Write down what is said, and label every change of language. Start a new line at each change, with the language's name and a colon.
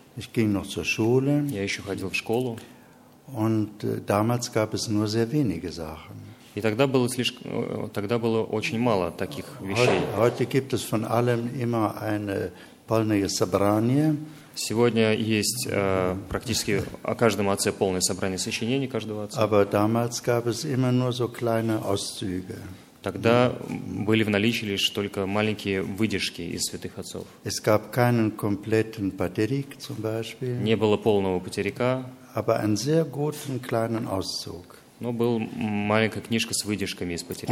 German: Ich ging noch zur Schule.
Russian: Я еще ходил в школу.
German: Und damals gab es nur sehr wenige Sachen.
Russian: И тогда было очень мало таких вещей.
German: Heute gibt es von allem immer eine
Russian: полное собрание. Сегодня есть практически о каждом отце полное собрание сочинений каждого отца.
German: Aber damals gab es immer nur so kleine Auszüge.
Russian: Тогда были в наличии лишь только маленькие выдержки из святых отцов.
German: Es gab keinen kompletten Patrick zum Beispiel.
Russian: Не было полного Патерика.
German: Aber einen sehr guten kleinen Auszug.
Russian: Но была маленькая книжка с выдержками из Патерика.